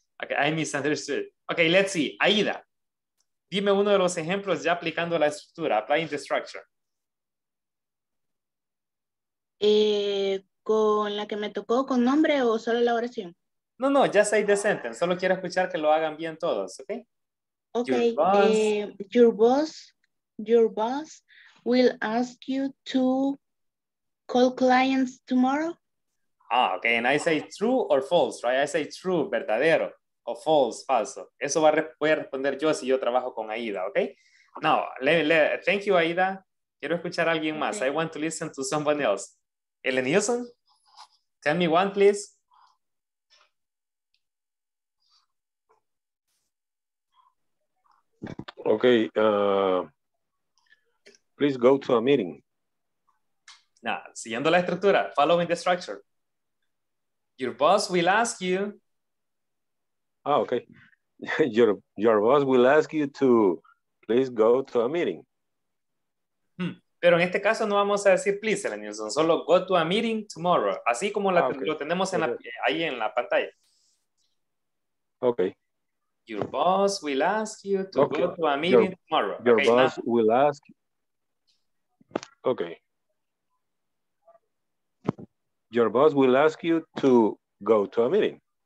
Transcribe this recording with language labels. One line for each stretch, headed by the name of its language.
English: Okay, I misunderstood. Okay, let's see. Aida,
Spanish: dime uno de los ejemplos ya aplicando la estructura,
English: applying the structure.
Spanish: ¿Con la que me tocó, con nombre o solo la oración?
English: No, no, ya say the sentence.
Spanish: Solo quiero escuchar que lo hagan bien todos, ¿ok?
English: Okay, your boss will ask you to call clients tomorrow. Ah, okay, and I say true or false, right? I say true, verdadero, o false, falso.
Spanish: Eso voy a responder yo si yo trabajo con Aida, ¿ok?
English: Now, thank you,
Spanish: Aida. Quiero escuchar a alguien más.
English: Okay. I want to listen to someone else. Ellen Nielsen, tell me one, please. Okay. Please go to a meeting. Now,
Spanish: siguiendo la estructura,
English: following the structure. Your boss will ask you. Oh, okay. Your boss will ask you to please go to a meeting.
Spanish: Pero en este caso no vamos a decir please, Ellen Nielsen, solo
English: go to a meeting tomorrow,
Spanish: así como lo tenemos ahí en la pantalla.
English: Okay. Your boss will ask you to go to a meeting tomorrow. Your boss will ask. Okay. Your boss will ask you to go to a meeting.